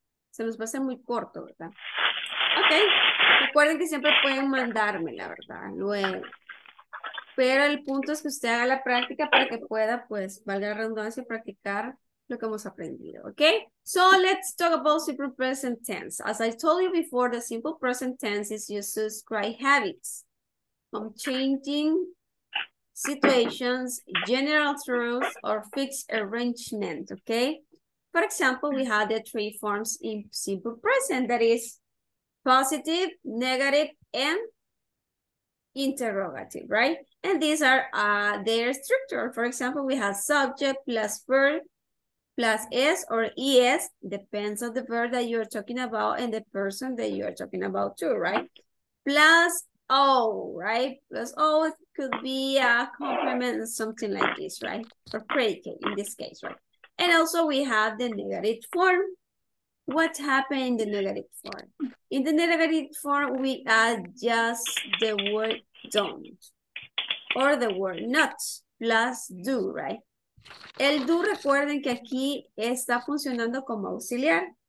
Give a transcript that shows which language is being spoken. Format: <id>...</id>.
<es>Se nos va a hacer muy corto, ¿verdad? Ok. Recuerden que siempre pueden mandarme, la verdad, luego. Pero el punto es que usted haga la práctica para que pueda, pues, valga la redundancia, practicar lo que hemos aprendido, ¿ok?</es> <en>So, let's talk about simple present tense. As I told you before, the simple present tense is used to describe habits. From changing situations, general truths, or fixed arrangement, ¿ok? For example, we have the three forms in simple present, that is positive, negative, and interrogative, right? And these are their structure. For example, we have subject plus verb plus S or ES, depends on the verb that you're talking about and the person that you're talking about too, right? Plus O, right? Plus O could be a complement, something like this, right? Or predicate in this case, right? And also we have the negative form. What happened in the negative form? In the negative form, we add just the word don't or the word not plus do, right?</en> <es>El do, recuerden que aquí está funcionando como auxiliar.</es>